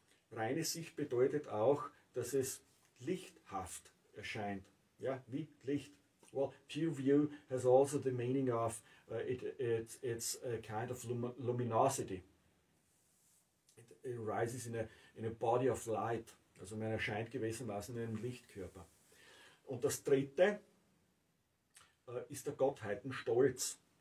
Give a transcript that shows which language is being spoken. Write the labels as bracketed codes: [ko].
[de] Reine Sicht bedeutet auch, dass es lichthaft erscheint, ja? Wie Licht. [en] Well, pure view has also the meaning of it's a kind of luminosity. It arises in a body of light, [de] also man erscheint gewissermaßen in einem Lichtkörper. Und das dritte ist der Gottheitenstolz.